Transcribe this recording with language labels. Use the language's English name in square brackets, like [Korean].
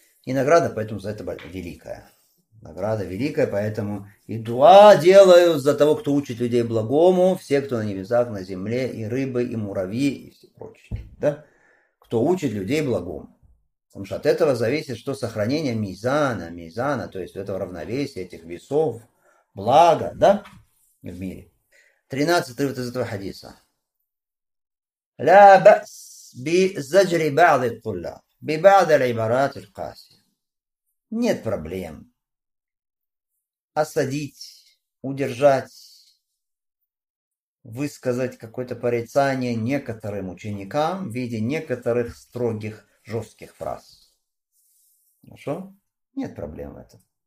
[Russian] И награда поэтому за это великая. Награда великая, поэтому и дуа делаю за того, кто учит людей благому, все, кто на небесах, на земле, и рыбы, и муравьи, и все прочее. Да? Кто учит людей благому. Потому что от этого зависит, что сохранение мизана, то есть этого равновесия, этих весов, блага, да, в мире. 13-й вот из этого хадиса. [Arabic] لا بأس بزجر بعض الطلاب ببعض العبارات القاسية. [Russian] Нет проблем осадить, удержать, высказать какое-то порицание некоторым ученикам в виде некоторых строгих, жестких фраз. Хорошо? Нет проблем в этом.